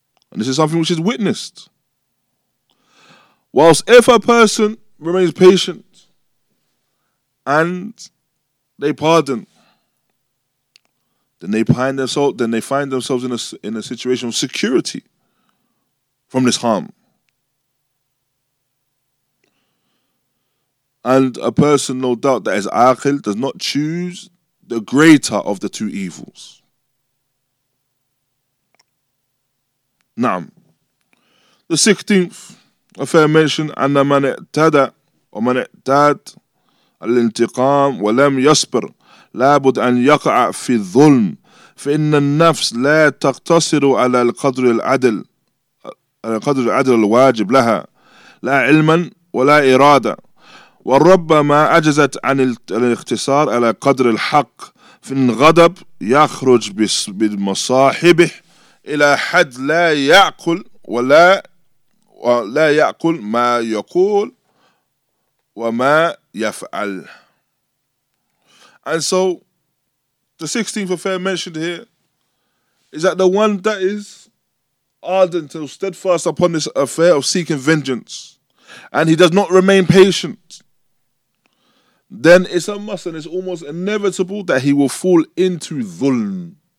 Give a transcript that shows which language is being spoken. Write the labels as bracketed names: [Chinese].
[English] And this is something which is witnessed. Whilst if a person remains patient and they pardon, then they find themselves in a situation of security from this harm. And a person, no doubt, that is aqil, does not choose the greater of the two evils. [Arabic] Naam. [English] The 16th affair mentioned, [Arabic] أن من اعتدى ومن اعتاد الانتقام ولم يصبر لابد أن يقع في الظلم فإن النفس لا تقتصر على القدر العدل القدر العدل الواجب لها لا علما ولا إرادة وربما أجزت عن الاختصار على قدر الحق في الغضب يخرج بمصاحبه إلى حد لا يعقل ولا يعقل ما يقول وما يفعل. [English] And so the 16th affair mentioned here is that the one that is ardent and steadfast upon this affair of seeking vengeance and he does not remain patient, then it's a must and it's almost inevitable that he will fall into dhulm.